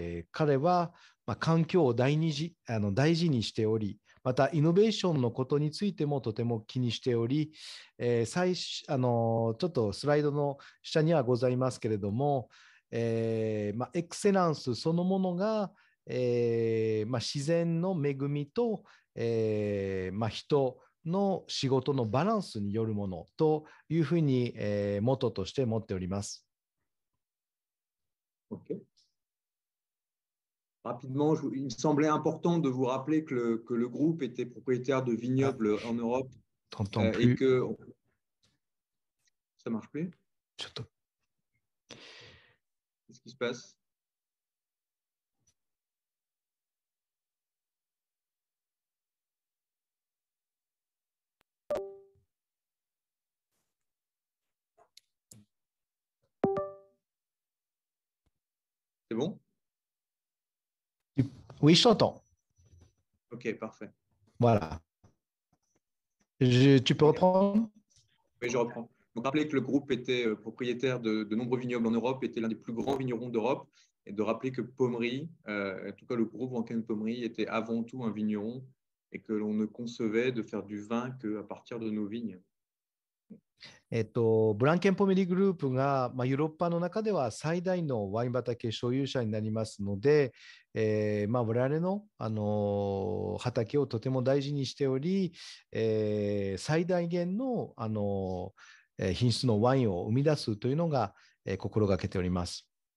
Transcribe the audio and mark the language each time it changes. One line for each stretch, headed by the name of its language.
Japanese: 彼は環境を大事にしており、またイノベーションのことについてもとても気にしており、ちょっとスライドの下にはございますけれども、まあ、エクセレンスそのものが、まあ、自然の恵みと、まあ、人の仕事のバランスによるものというふうに、モットーとして持っております。 OK。
French: Rapidement, il me semblait important de vous rappeler que le groupe était propriétaire de vignobles en Europe. T'entends plus. Et que... Ça marche plus ? Qu'est-ce qui se passe ? C'est bon ? Oui, je t'entends. Ok, parfait. Voilà. Tu peux reprendre ? Oui, je reprends. Donc, rappelez que le groupe était propriétaire de nombreux vignobles en Europe, était l'un des plus grands vignerons d'Europe, et de rappeler que Pommery, en tout cas le groupe Vranken Pommery, était avant tout un vigneron, et que l'on ne concevait de faire du vin qu'à partir de nos vignes.
Japanese: ブランケンポメリグループが、まあ、ヨーロッパの中では最大のワイン畑所有者になりますので、まあ、我々の、畑をとても大事にしており、最大限の、品質のワインを生み出すというのが、心がけております。